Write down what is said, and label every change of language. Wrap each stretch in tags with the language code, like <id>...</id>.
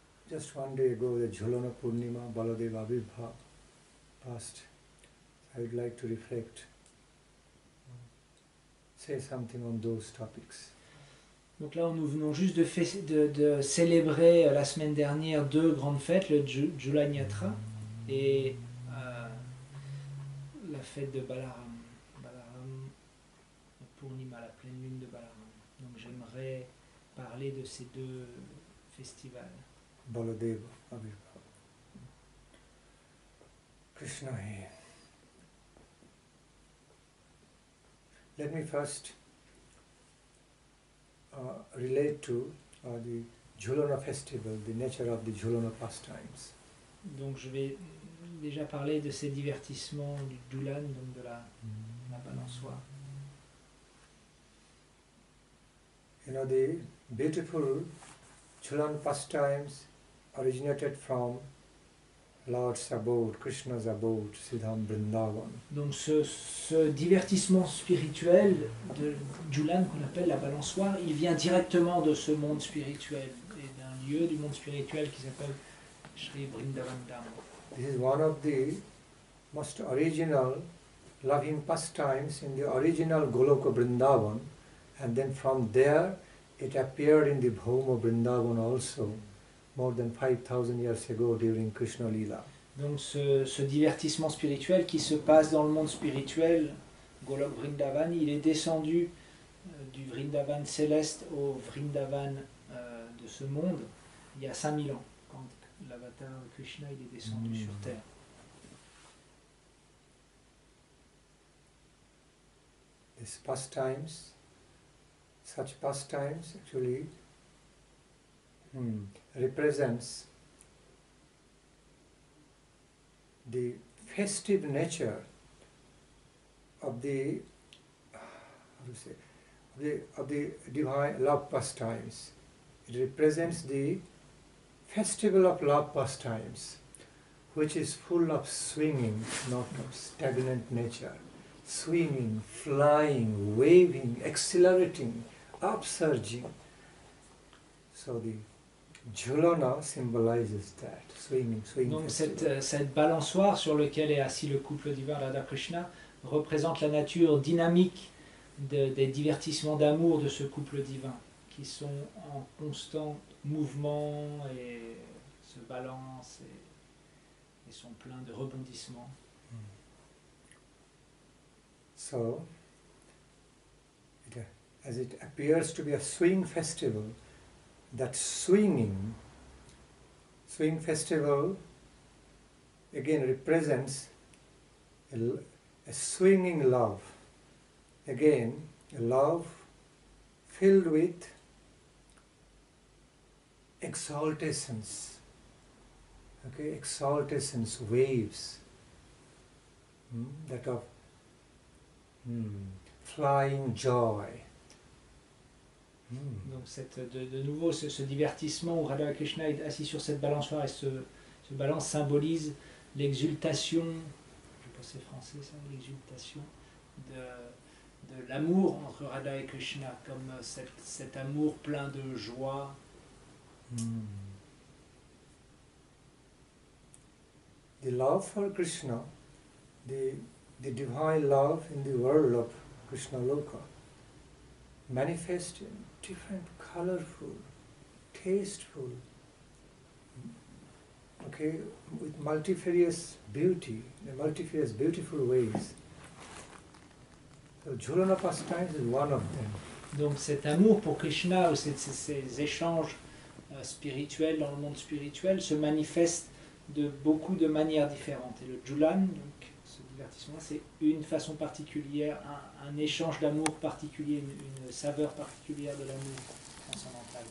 <en>Just one day ago, the Jhulana Purnima, Baladev Abhibha passed. I would like to reflect, say something on those topics.</en> <fr>Donc là, nous venons juste de célébrer la semaine dernière deux grandes fêtes, le Jhulanyatra et la fête de Balaram. Balaram, Purnima, la pleine lune de Balaram. Donc j'aimerais parler de ces deux festivals. Baladeva, Abhibha. Krishna hi.</fr> <en>Let me first relate to the Jhulana festival, the nature of the Jhulana pastimes.</en> <fr>Donc je vais déjà parler de ces divertissements du Dulan, donc de la balançoire.</fr> <en>You know, the beautiful Jhulana pastimes originated from Lord's abode, Krishna's abode, Siddham Vrindavan.</en> <fr>Donc ce divertissement spirituel de Jhulana qu'on appelle la balançoire, il vient directement de ce monde spirituel et d'un lieu du monde spirituel qui s'appelle Sri Vrindavan Dham.</fr> <en>This is one of the most original loving pastimes in the original Goloka Vrindavan, and then from there it appeared in the Bhauma Vrindavan also. More than 5,000 years ago during Krishna Lila.</en> <fr>Donc ce divertissement spirituel qui se passe dans le monde spirituel, Golok Vrindavan, il est descendu du Vrindavan céleste au Vrindavan de ce monde il y a 5000 ans, quand l'avatar Krishna il est descendu sur Terre.</fr> <en>These pastimes, such pastimes actually, represents the festive nature of the, how to say, of the divine love pastimes. It represents the festival of love pastimes, which is full of swinging, not of stagnant nature. Swinging, flying, waving, accelerating, upsurging. So the Jhulana symbolizes that, swinging.</en> <fr>Donc cette balançoire sur laquelle est assis le couple divin Radha Krishna représente la nature dynamique des divertissements d'amour de ce couple divin qui sont en constant mouvement et se balancent et sont pleins de rebondissements.</fr> <en>So, as it appears to be a swing festival, that swing festival again represents a swinging love, again a love filled with exaltations, okay, exaltations, waves, that of flying joy.</en> <fr>Donc de nouveau ce divertissement où Radha Krishna est assis sur cette balançoire et ce balance symbolise l'exultation, je pense c'est français ça, l'exultation de l'amour entre Radha et Krishna, comme cet amour plein de joie.</fr> <en>The love for Krishna, the divine love in the world of Krishna Loka, manifested different, colorful, tasteful, okay, with multifarious beauty, multifarious beautiful ways. So Jhulana pastimes is one of them.</en> <fr>Donc cet amour pour Krishna ou ces échanges spirituels dans le monde spirituel se manifeste de beaucoup de manières différentes. Et le Jhulana, donc ce divertissement, c'est une façon particulière, un échange d'amour particulier, une saveur particulière de l'amour transcendantal.</fr>